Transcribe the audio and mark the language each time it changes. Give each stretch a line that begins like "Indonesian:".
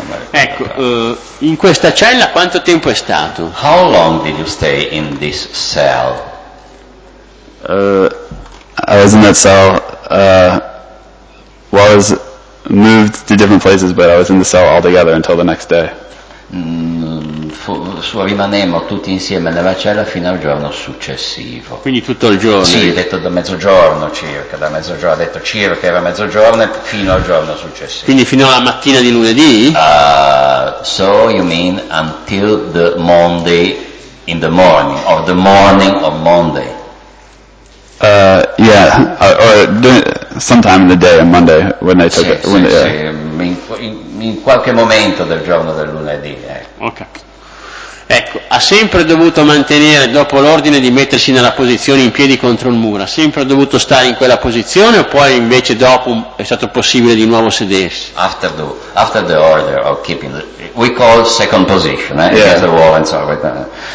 Italian: Ecco, in questa cella quanto tempo è stato?
English: How long did you stay in this cell? I was in that cell. Well, I was moved to different places, but I was in the cell altogether until the next day.
Italian: Rimanemmo tutti insieme nella cella fino al giorno successivo. Quindi tutto il giorno? Sì, detto da mezzogiorno circa, da mezzogiorno, ha detto circa era mezzogiorno fino al giorno successivo. Quindi fino alla mattina di lunedì?
English: So you mean until the Monday in the morning, or the morning of Monday? Yeah, or sometime in the day on Monday when they took it.
Italian: Sì, in qualche momento del giorno del lunedì, ecco. Ok. Ecco, ha sempre dovuto mantenere, dopo l'ordine di mettersi nella posizione in piedi contro il muro, ha sempre dovuto stare in quella posizione, o poi invece dopo è stato possibile di nuovo sedersi?
English: After the order of keeping the, we call second position, against the wall and so on.